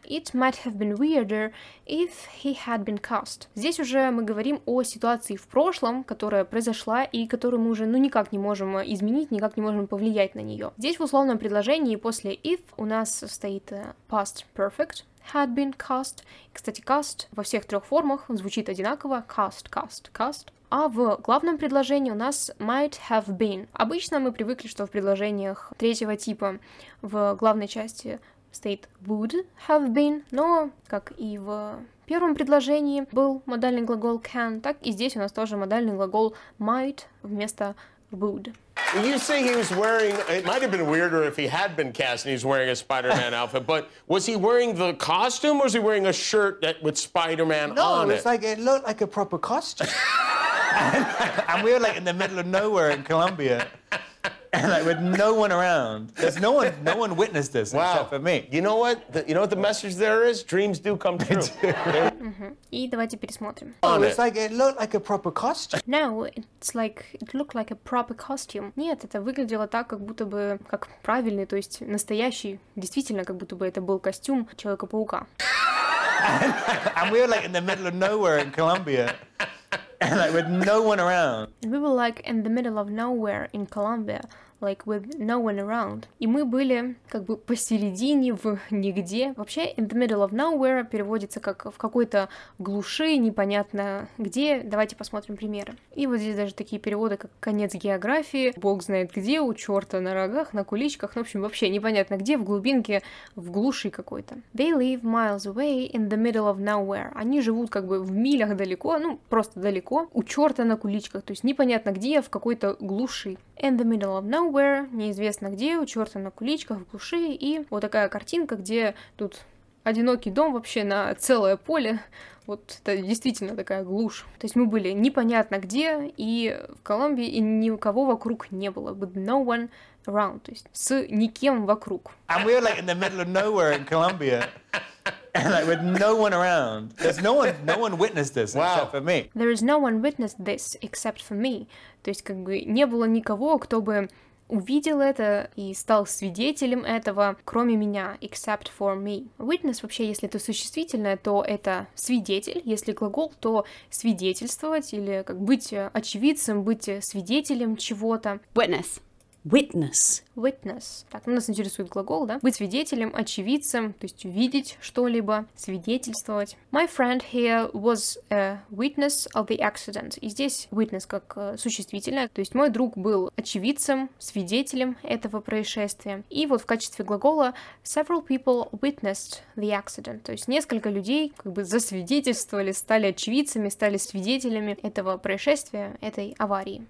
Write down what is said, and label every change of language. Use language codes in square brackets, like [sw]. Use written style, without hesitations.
[en] It might have been weirder if he had been cast. [ru] Здесь уже мы говорим о ситуации в прошлом, которая произошла и которую мы уже никак не можем изменить, никак не можем повлиять на нее. Здесь в условном предложении после if у нас стоит past perfect [en] had been cast. [ru] Кстати, cast во всех трех формах звучит одинаково. [en] Cast, cast, cast. [ru] А в главном предложении у нас [en] might have been. [ru] Обычно мы привыкли, что в предложениях третьего типа в главной части стоит [en] would have been, [ru] но, как и в первом предложении был модальный глагол can, так и здесь у нас тоже модальный глагол might вместо would. [en] You say he was wearing, it might have been weirder if he had been cast and he's wearing a Spider-Man outfit, but was he wearing the costume or was he wearing a shirt that with Spider-Man on it? No, it's like, it looked like a proper costume. and we were like in the middle of nowhere in Colombia. And like with no one around, because no one witnessed this wow. except for me. You know what? The message there is? Dreams do come true. [ru] И давайте пересмотрим. [en] It's like it looked like a proper costume. No, it's like it looked like a proper costume. [ru] Нет, это выглядело так, как будто бы как правильный, то есть настоящий, действительно, как будто бы это был костюм Человека-паука. [en] And we were like in the middle of nowhere in Colombia. And like with no one around. We were like in the middle of nowhere in Colombia, like with no one around. [ru] И мы были как бы посередине в нигде. Вообще, [en] in the middle of nowhere [ru] переводится как в какой-то глуши, непонятно где. Давайте посмотрим примеры. И вот здесь даже такие переводы, как конец географии, бог знает где, у черта на рогах, на куличках. Ну, в общем, вообще непонятно где, в глубинке, в глуши какой-то. [en] They live miles away in the middle of nowhere. [ru] Они живут как бы в милях далеко, ну, просто далеко, у черта на куличках. То есть непонятно где, в какой-то глуши. [en] In the middle of nowhere, [ru] неизвестно где, у черта на куличках, в глуши, и вот такая картинка, где тут одинокий дом вообще на целое поле, вот это действительно такая глушь. То есть мы были непонятно где, и в Колумбии, и никого вокруг не было, [en] with no one around, [ru] то есть с никем вокруг. [en] And we were like in the middle of nowhere in Colombia. And like with no one around, there's no one witnessed this wow. except for me. There is no one witnessed this except for me. [ru] То есть как бы не было никого, кто бы увидел это и стал свидетелем этого, кроме меня, [en] except for me. [ru] Witness вообще, если это существительное, то это свидетель. Если глагол, то свидетельствовать или как быть очевидцем, быть свидетелем чего-то. [en] Witness. Witness. Witness. [ru] Так, ну, нас интересует глагол, да? Быть свидетелем, очевидцем, то есть видеть что-либо, свидетельствовать. [en] My friend here was a witness of the accident. [ru] И здесь witness как существительное, то есть мой друг был очевидцем, свидетелем этого происшествия. И вот в качестве глагола [en] several people witnessed the accident. [ru] То есть несколько людей как бы засвидетельствовали, стали очевидцами, стали свидетелями этого происшествия, этой аварии.